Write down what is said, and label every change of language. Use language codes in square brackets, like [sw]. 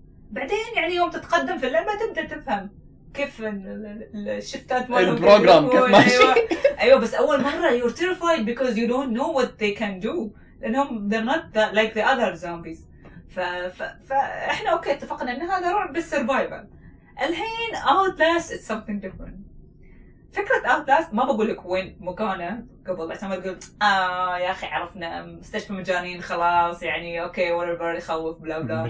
[ar] بعدين يعني يوم تتقدم في اللعبة تبدا تفهم. كيف الشفتات مالهم البروغرام كيف ماشي. أيوة بس أول مرة [en] you're terrified because you don't know what they can do [ar] لأنهم [en] they're not that, like the other zombies. [ar] فإحنا أوكي اتفقنا أن هذا رعب بالسيرفايفل. الحين [en] Outlast it's something different. [ar] فكرة Outlast ما بقولك وين مكانه قبل عشان ما تقول يا أخي عرفنا مستشفى مجانين خلاص يعني أوكي [en] whatever [ar] يخوف بلا بلا